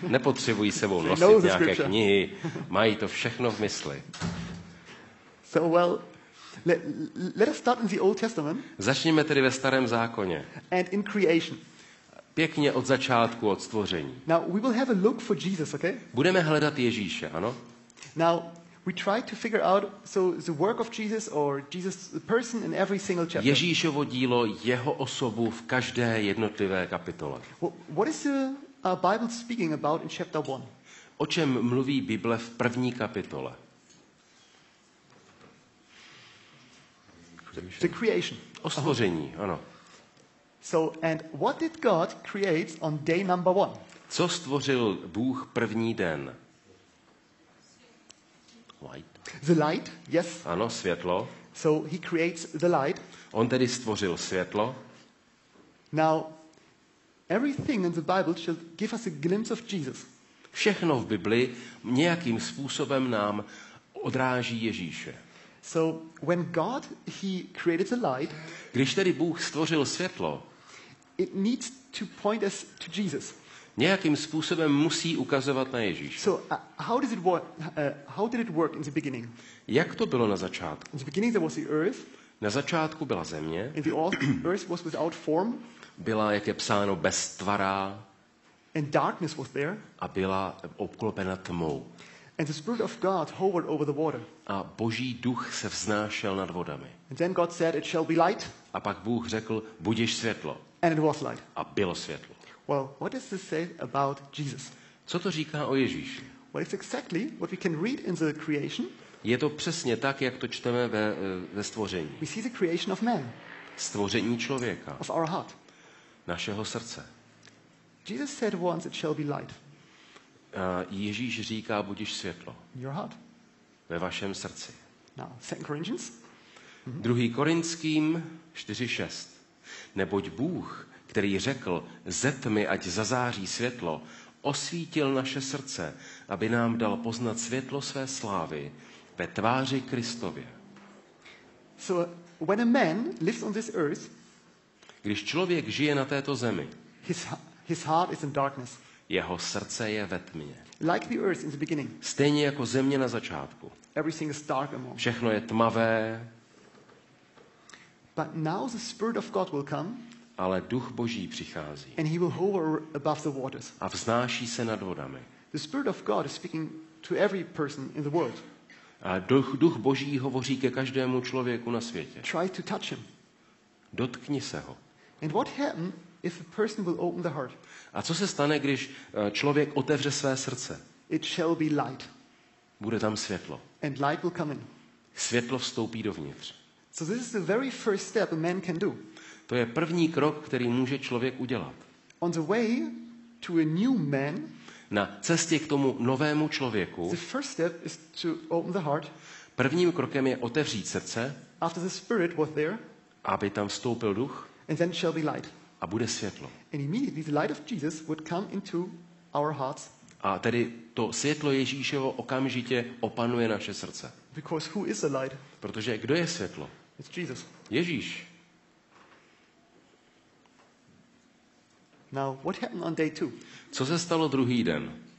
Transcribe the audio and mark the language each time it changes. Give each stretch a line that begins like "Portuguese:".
Czech: Nepotřebují sebou nosit nějaké knihy. Mají to všechno v mysli.
English: So well, let us start in the Old Testament.
Czech: Začněme tedy ve starém zákoně.
English: And in creation.
Czech: Pěkně od začátku, od stvoření.
English: Now we will have a look for Jesus, okay?
Czech: Budeme hledat Ježíše, ano?
English: Now we try to figure out so the work of Jesus or Jesus the person in every single chapter.
Czech: Ježíšovo dílo, jeho osobu v každé jednotlivé kapitole.
English: What is the Bible speaking about in chapter 1?
Czech: O čem mluví Bible v první kapitole?
English: The creation.
Czech: O stvoření, ano.
English: So and what did God create on day number 1?
Czech: Co stvořil Bůh první den?
English: Light. The light, yes.
Czech: Ano, světlo.
English: So he creates the light.
Czech: On tedy stvořil světlo.
English: Now, everything in the Bible should give us a glimpse of Jesus.
Czech: Všechno v Bibli nějakým způsobem nám odráží Ježíše.
English: So when God he created the light,
Czech: když tedy Bůh stvořil světlo,
English: It needs to point us to Jesus.
Czech: Nějakým způsobem musí ukazovat na Ježíše.
English: So how does it work? How did it work in the beginning?
Czech: Jak to bylo na začátku?
English: In the beginning there was the earth.
Czech: Na začátku byla země.
English: And the earth was without form.
Czech: Byla, jak je psáno, beztvará.
English: And darkness was there.
Czech: A byla obklopena tmou.
English: And the spirit of God hovered over the water.
Czech: A Boží duch se vznášel nad vodami.
English: And then God said, "It shall be light."
Czech: A pak Bůh řekl, budeš světlo.
English: And it was light.
Czech: A bylo světlo.
English: Well, what does this say about Jesus?
Czech: Co to říká o Ježíši?
English: Well, it's exactly what we can read in the creation.
Czech: Je to přesně tak, jak to čteme ve stvoření.
English: We see the creation of man.
Czech: Stvoření člověka.
English: Of our heart.
Czech: Našeho srdce.
English: Jesus said once, "It shall be light."
Czech: Ježíš říká, budiš světlo.
English: Your heart.
Czech: Ve vašem srdci.
English: Now, 2 Corinthians.
Czech: 2. Korinským 4:6. Neboť Bůh, který řekl, ze tmy ať zazáří světlo, osvítil naše srdce, aby nám dal poznat světlo své slávy ve tváři Kristově.
English: So, when a man lives on this earth,
Czech: když člověk žije na této zemi,
English: his heart is in darkness.
Czech: Jeho srdce je ve tmě.
English: Like the earth in the beginning.
Czech: Stejně jako země na začátku.
English: Everything is dark among.
Czech: Všechno je tmavé.
English: But now the spirit of God will come.
Czech: Ale duch Boží přichází.
English: And he will hover above the waters.
Czech: A vznáší se nad vodami.
English: The spirit of God is speaking to every person in the world.
Czech: A duch Boží hovoří ke každému člověku na světě.
English: Try to touch him.
Czech: Dotkni se ho.
English: And what happened if a person will open the heart?
Czech: A co se stane, když člověk otevře své srdce?
English: It shall be light.
Czech: Bude tam světlo.
English: And light will come in.
Czech: Světlo vstoupí dovnitř.
English: So this is the very first step a man can do.
Czech: To je první krok, který může člověk udělat.
English: On the way to a new man.
Czech: Na cestě k tomu novému člověku.
English: The first step is to open the heart.
Czech: Prvním krokem je otevřít srdce.
English: After the spirit was there.
Czech: Aby tam vstoupil duch.
English: And then shall be light.
Czech: A bude světlo.
English: And immediately the light of Jesus would come into our hearts.
Czech: A tedy to světlo Ježíšovo okamžitě opanuje naše srdce.
English: Because who is the light?
Czech: Protože kdo je světlo?
English: It's Jesus.
Czech: Ježíš.
English: Now, what happened on day two?
Czech: Co se stalo druhý den?